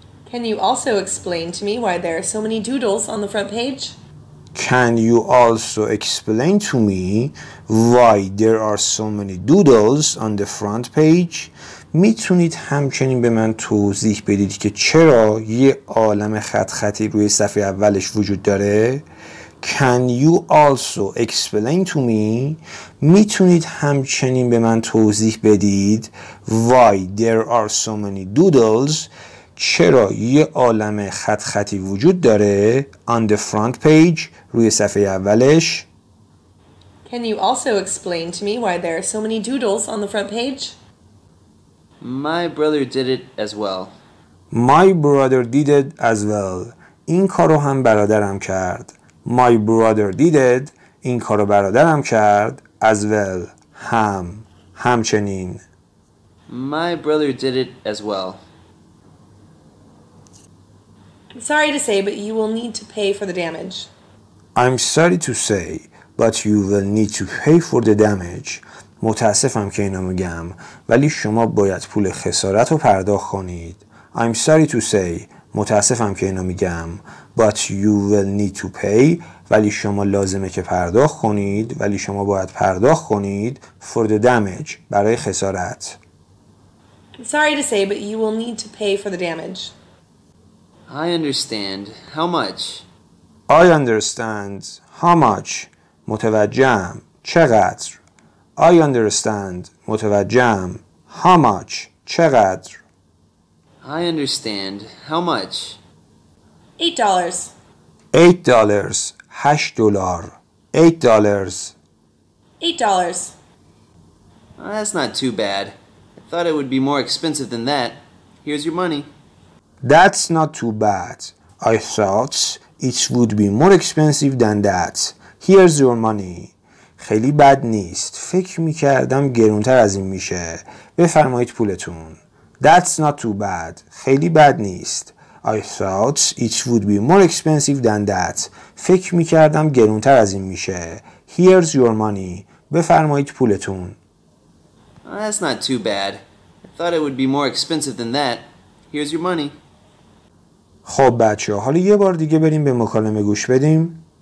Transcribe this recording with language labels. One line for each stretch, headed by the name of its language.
English: Can you also explain to me why there are so many doodles on the front page? Can you also explain to me why there are so many doodles on the front page?
Persian: میتونید همچنین به من توضیح بدید که چرا یه عالم خط خطی روی صفحه اولش وجود داره؟
English: Can you also explain to me?
Persian: میتونید همچنین به من توضیح بدید
English: why there are so many doodles؟
Persian: چرا یه عالم خط خطی وجود داره
English: on the front page
Persian: روی صفحه اولش؟
English: Can you also explain to me why there are so many doodles on the front page? My brother did it as well. My brother did it as well.
Persian: این کارو هم برادرم کرد.
English: My brother did it.
Persian: این کارو برادرم کرد.
English: As well.
Persian: هم. همچنین.
English: My brother did it as well. I'm sorry to say, but you will need to pay for the damage. I'm sorry to say, but you will need to pay for the damage.
Persian: متاسفم که اینو میگم ولی شما باید پول خسارت رو پرداخت کنید.
English: I'm sorry to say.
Persian: متاسفم که اینو میگم.
English: But you will need to pay.
Persian: ولی شما لازمه که پرداخت کنید. ولی شما باید پرداخت کنید.
English: For the damage.
Persian: برای خسارت.
English: I'm sorry to say, but you will need to pay for the damage. I understand. How much? I understand. How much?
Persian: متوجهم. چقدر؟
English: I understand.
Persian: متوجهم.
English: How much? چقدر؟ I understand. How much? $8. $8. $8. $8. $8. That's not too bad. I thought it would be more expensive than that. Here's your money. That's not too bad. I thought it would be more expensive than that. Here's your money.
Persian: خیلی بد نیست. فکر میکردم گرونتر از این میشه. بفرمایید پولتون.
English: That's not too bad.
Persian: خیلی بد نیست.
English: I thought it would be more expensive than that.
Persian: فکر میکردم گرونتر از این میشه.
English: Here's your money.
Persian: بفرمایید پولتون.
English: That's not too bad. I thought it would be more expensive than that. Here's your money.
Persian: خب بچه، حالا یه بار دیگه بریم به مکالمه گوش بدیم.